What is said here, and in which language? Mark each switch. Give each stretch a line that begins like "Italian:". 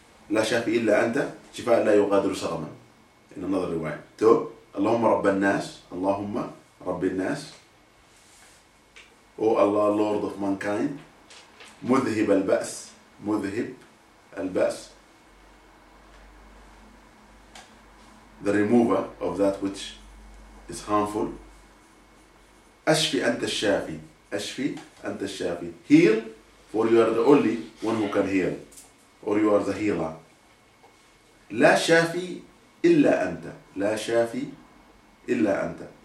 Arabic: لا شافي إلا أنت شفاء لا يغادر سقما.
English: In another riwayah. So,
Arabic: Allahumma Rabb al-Nas, Allahumma Rabb al-Nas,
English: O Allah, Lord of mankind,
Arabic: Mudhib al-Ba's, Mudhib al-Ba's,
English: the remover of that which is harmful.
Arabic: Ashfi anta al-Shafi, Ashfi anta al-Shafi.
English: Heal, for you are the only one who can heal, or you are the healer.
Arabic: La Shafi إلا أنت لا شافي إلا أنت.